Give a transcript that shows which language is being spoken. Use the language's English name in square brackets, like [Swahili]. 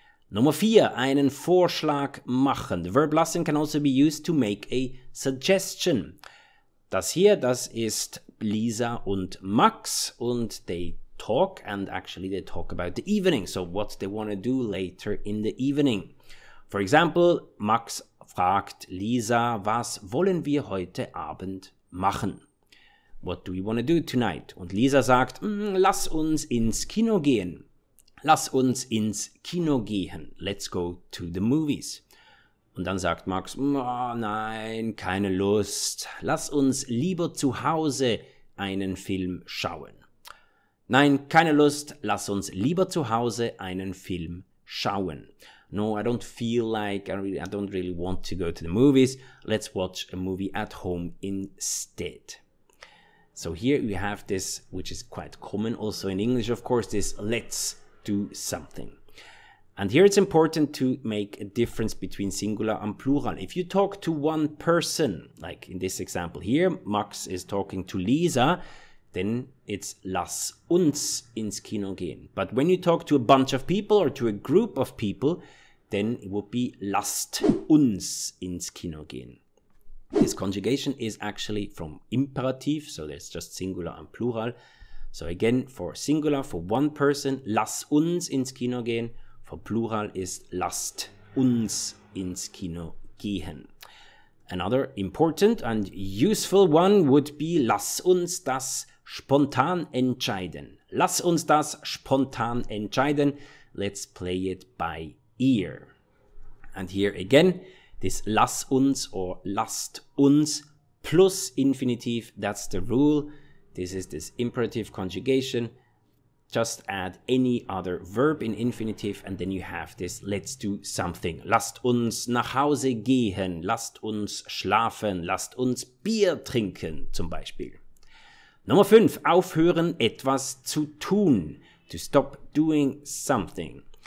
[German] Nummer 4, einen Vorschlag machen. [English] The verb lassen can also be used to make a suggestion. [German] Das hier, das ist Lisa und Max und [English] they talk and actually they talk about the evening. So what they want to do later in the evening. For example, [German] Max fragt Lisa, was wollen wir heute Abend machen? [English] What do we want to do tonight? [German] Und Lisa sagt, lass uns ins Kino gehen. Lass uns ins Kino gehen. [English] Let's go to the movies. [German] Und dann sagt Max, oh nein, keine Lust. Lass uns lieber zu Hause einen Film schauen. Nein, keine Lust. Lass uns lieber zu Hause einen Film schauen. [English] No, I don't feel like, I don't really want to go to the movies. Let's watch a movie at home instead. So here we have this, which is quite common also in English, of course, this let's do something. And here it's important to make a difference between singular and plural. If you talk to one person, like in this example here, Max is talking to Lisa, then it's [German] lass uns ins Kino gehen. [English] But when you talk to a bunch of people or to a group of people, then it would be [German] lasst uns ins Kino gehen. [English] This conjugation is actually from imperative, so there's just singular and plural. So again, for singular, for one person, [German] lass uns ins Kino gehen. [English] For plural is [German] lasst uns ins Kino gehen. [English] Another important and useful one would be [German] lass uns das spontan entscheiden. Lass uns das spontan entscheiden. [English] Let's play it by ear. And here again, this [German] lass uns [English] or [German] lasst uns [English] plus infinitive, that's the rule. This is this imperative conjugation. Just add any other verb in infinitive and then you have this let's do something. [German] Lasst uns nach Hause gehen, lasst uns schlafen, lasst uns Bier trinken zum Beispiel. Nummer 5, aufhören etwas zu tun, [English] to stop doing something.